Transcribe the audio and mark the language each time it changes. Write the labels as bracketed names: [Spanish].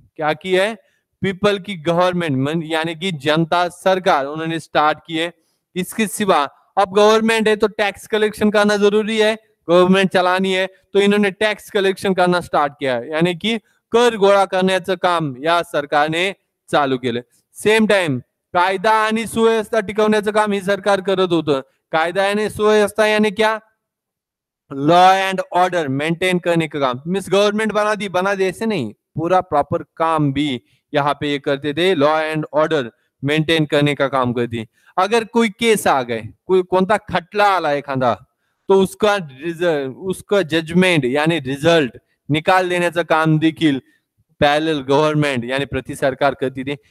[Hindi] क्या की है, पीपल की गवर्नमेंट, यानी कि जनता सरकार उन्होंने स्टार्ट की है। इसके सिवा अब गवर्नमेंट है तो टैक्स कलेक्शन करना जरूरी है, गवर्नमेंट चलानी है तो इन्होंने टैक्स कलेक्शन करना स्टार्ट किया, यानी कि कर गोड़ा करने का काम या सरकार ने [Marathi] चालू केले। सेम टाइम कायदा आणि सुव्यवस्था टिकवण्याचं काम ही सरकार करत होतं। कायदा आणि सुव्यवस्था [Hindi] यानी क्या, लॉ अँड ऑर्डर मेंटेन करने का काम, मीन्स गवर्नमेंट बना दी ऐसे नहीं, पूरा प्रॉपर काम भी यहाँ पे ये करते थे, लॉ एंड ऑर्डर मेंटेन करने का काम करती। अगर कोई केस आ गए, कोई कौनता [Marathi] खटला आला एखादा, [Hindi] तो उसका उसका जजमेंट यानी रिजल्ट निकाल देने का काम देखी पैरेलल गवर्नमेंट यानी प्रति सरकार करती थी।